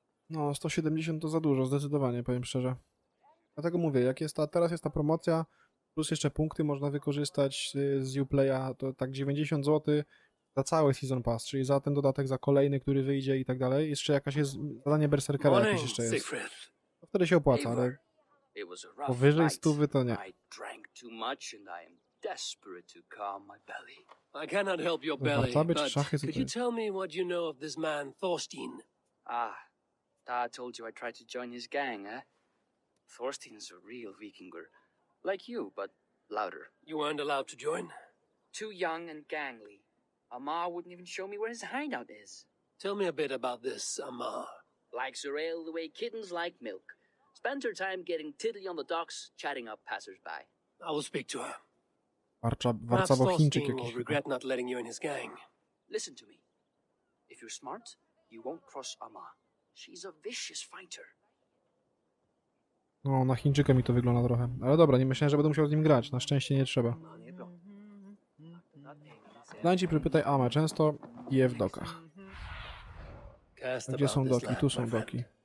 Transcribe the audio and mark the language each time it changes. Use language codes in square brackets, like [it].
[pl] No 170 to za dużo, zdecydowanie, powiem szczerze. Dlatego mówię, jak jest ta, teraz jest ta promocja, plus jeszcze punkty można wykorzystać z Uplaya, to tak 90 zł za cały Season Pass, czyli za ten dodatek, za kolejny, który wyjdzie i tak dalej. Jeszcze jakaś jest, zadanie Berserkera jakieś jeszcze jest. To wtedy się opłaca, ale... [en] It was a rough night. I drank too much and I am desperate to calm my belly. I cannot help your belly, but could you tell me what you know of this man, Thorstein? Ah, Ta told you I tried to join his gang, eh? Thorstein's a real Vikinger. Like you, but louder. You weren't allowed to join? Too young and gangly. Amar wouldn't even show me where his hideout is. Tell me a bit about this Amar. Likes a rail the way kittens like milk. Spend her time getting tiddly on the docks, chatting up passersby. I will speak to her. [pl] Warcabo Chińczyk jakiś. [en] Regret not letting you in his gang. Listen to me. If you're smart, you won't cross Ama. She's a vicious fighter. [pl] No, na Chińczyka mi to wygląda trochę. Ale dobra, nie myślałem, że będę musiał z nim grać. Na szczęście nie trzeba. Znajdź i przypytaj Ama. Często je w dokach. Gdzie są doki? Tu są doki.